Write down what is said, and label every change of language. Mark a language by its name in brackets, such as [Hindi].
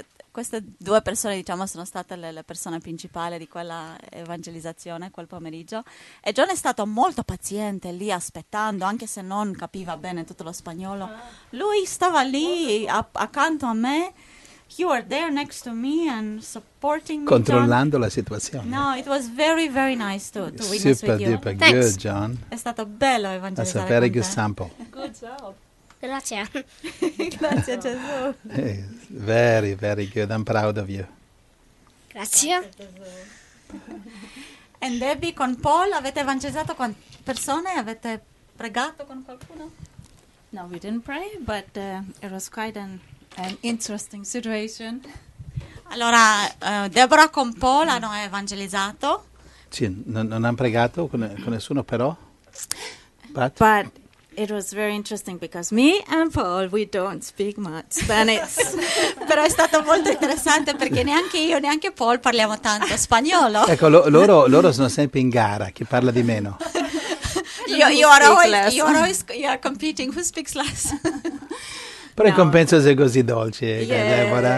[Italian] Queste due persone, diciamo, sono state le persone principali di quella evangelizzazione, quel pomeriggio. E John è stato molto paziente lì, aspettando, anche se non capiva bene tutto lo spagnolo. Lui stava lì, accanto a me. [English] He was there next to me and supporting me. [Italian] Controllando la situazione. [English] No, it was very, very nice to witness with you. Super duper good, John. [Italian] È stato bello evangelizzare. [English] That's a very good sample. Good job. [Italian] Grazie. Grazie, Gesù. [English] Very, very good. I'm proud of you. [Italian] Grazie. And Debbie, con Paul, avete evangelizzato con persone? Avete pregato con qualcuno? [English] No, we didn't pray, but it was quite an interesting situation. [Italian] Allora, Deborah con Paul hanno evangelizzato. Sì, non hanno pregato con nessuno, però. [English] But it was very interesting because me and Paul, we don't speak much Spanish. [Italian] Però è stato molto interessante perché neanche io, neanche Paul parliamo tanto spagnolo. Ecco, loro sono sempre in gara, chi parla di meno. [English] You are always competing, who speaks less? [Italian] Però no. In compenso sei così dolce, [English] yes, Deborah.